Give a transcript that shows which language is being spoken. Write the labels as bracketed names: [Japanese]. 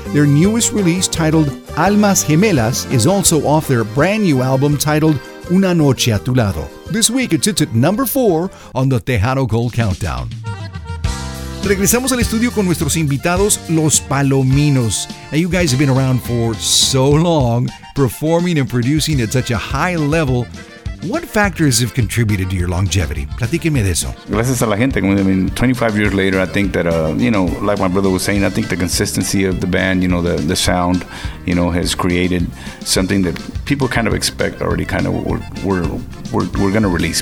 [English] Their newest release, titled Almas Gemelas, is also off their brand new album titled Una Noche a Tu Lado. This week it sits at number 4 on the Tejano Gold Countdown. [Spanish] Regresamos al estudio con nuestros invitados, Los Palominos. [English] Now you guys have been around for so long, performing and producing at such a high level. What factors have contributed to your longevity? [Spanish] Platíqueme de eso. Gracias a la gente. [English] I mean, 25 years later, I think that, you know, like my brother was saying, I think the consistency of the band, you know, the sound, you know, has created something that people kind of expect already, kind of we're going to release.